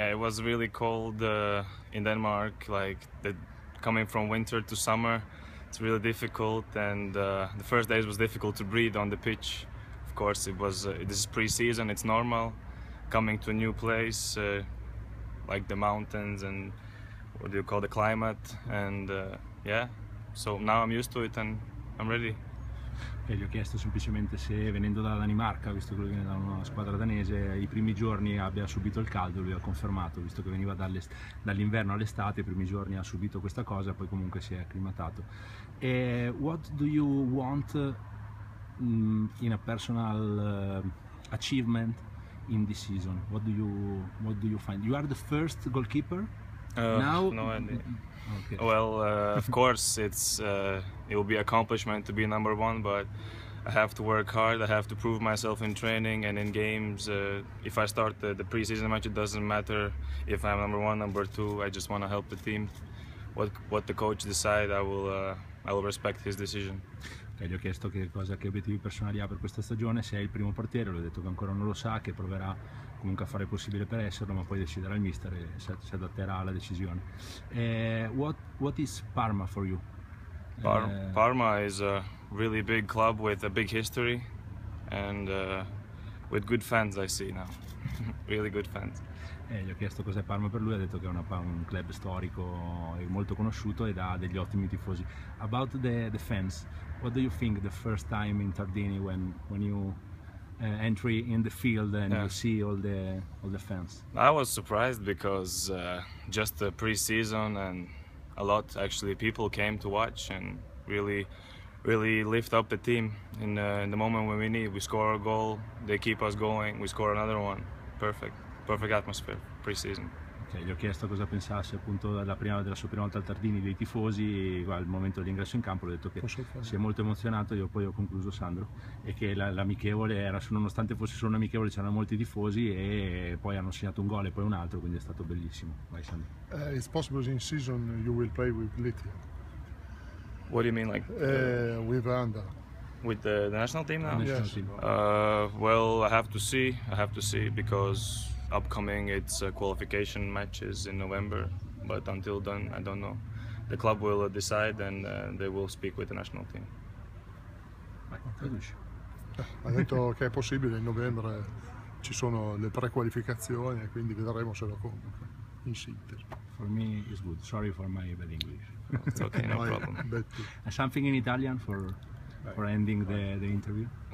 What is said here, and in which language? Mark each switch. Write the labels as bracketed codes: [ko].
[en] Yeah, it was really cold in Denmark, like coming from winter to summer, it's really difficult, and the first days was difficult to breathe on the pitch. Of course, it was this is pre-season, it's normal coming to a new place like the mountains and what do you call the climate, and so now I'm used to it and I'm ready. [it] E gli ho chiesto semplicemente se venendo dalla Danimarca, visto che lui viene da una squadra danese, I primi giorni abbia subito il caldo, lui ha confermato, visto che veniva dall'inverno all'estate, I primi giorni ha subito questa cosa, poi comunque si è acclimatato. [en] E what do you want in a personal achievement in this season? What do you find? You are the first goalkeeper? Now? No idea. Okay. Well, of course, it will be an accomplishment to be number one, but I have to work hard, I have to prove myself in training and in games. If I start the preseason match, it doesn't matter if I'm number one, number two, I just want to help the team. What the coach decides, I will respect his decision. [it] E gli ho chiesto che obiettivi personali ha per questa stagione, se è il primo portiere, gli ho detto che ancora non lo sa, che proverà comunque a fare il possibile per esserlo, ma poi deciderà il mister e si adatterà alla decisione. [en] What is Parma for you? Parma is a really big club with a big history and with good fans I see now, really good fans. [it] E gli ho chiesto cos'è Parma per lui, ha detto che è un club storico e molto conosciuto ed ha degli ottimi tifosi. [en] About the fans, what do you think the first time in Tardini when you entry in the field and you see all the fans? I was surprised because just the pre-season and a lot actually people came to watch and really lift up the team in the moment when we score a goal, they keep us going, we score another one, perfect atmosphere pre-season. [it] Gli ho chiesto cosa pensasse appunto della sua prima volta al Tardini, dei tifosi, al momento dell'ingresso in campo, ho detto che si è molto emozionato, io poi ho concluso Sandro, e che l'amichevole era, nonostante fosse solo un amichevole, c'erano molti tifosi e poi hanno segnato un gol e poi un altro, quindi è stato bellissimo. Vai Sandro. [en] It's possible in season you will play with Lithia. What do you mean like? With Anda. With the national team now? Yes. Well, I have to see, because upcoming it's qualification matches in November, but until then I don't know. The club will decide and they will speak with the national team. [it] Ha detto che è possibile in novembre, ci sono le prequalificazioni e quindi vedremo se lo convoca in Sinter. [en] For me it's good. Sorry for my bad English. It's okay, no problem. Something in Italian for ending the interview.